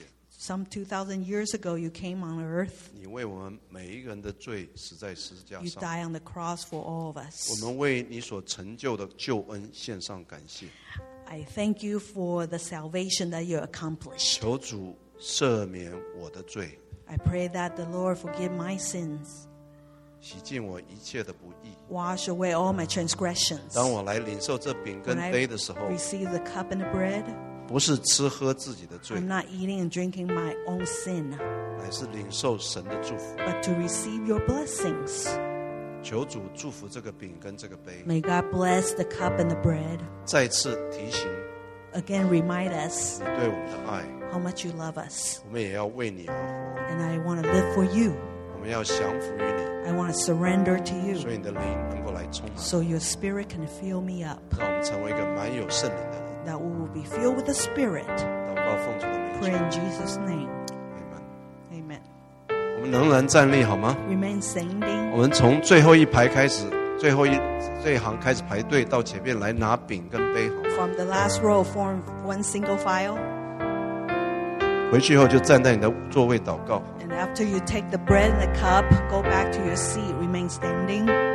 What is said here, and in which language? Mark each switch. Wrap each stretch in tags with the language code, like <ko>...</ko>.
<en>Some 2,000 years ago, you came on earth. You died on the cross for all of us. I thank you for the salvation that you accomplished. I pray that the Lord forgive my sins.</en> <zh>洗净我一切的不义。</zh> <en>Wash away all my transgressions.</en> <zh>当我来领受这饼跟杯的时候。</zh> <en>When I receive the cup and the bread.</en> <zh>不是吃喝自己的罪。</zh> <en>I'm not eating and drinking my own sin.</en> <zh>乃是领受神的祝福。</zh> <en>But to receive your blessings.</en> <zh>求主祝福这个饼跟这个杯。</zh> <en>May God bless the cup and the bread.</en> <zh>再次提醒。</zh> <en>Again, remind us.</en> <zh>你对我们的爱。</zh> <en>How much you love us.</en> <zh>我们也要为你而活。</zh> <en>And I want to live for you.</en> <zh>我们要降服于你。</zh> <en>I want to surrender to you.</en> <zh>所以你的灵能够来充满。</zh> <en>So your spirit can fill me up.</en> <zh>让我们成为一个满有圣灵的人。</zh> <en>That we will be filled with the spirit.</en> <zh>祷告奉主的名。</zh> <en>Pray in Jesus' name. Amen. Amen.</en> <zh>我们仍然站立好吗</zh> <en>？Remain standing.</en> <zh>我们从最后一排开始，最后一行开始排队到前面来拿饼跟杯。</zh> <en>From the last row, form one single file.</en> <zh>回去以后就站在你的座位祷告。</zh> <en>And after you take the bread and the cup, go back to your seat, remain standing.</en>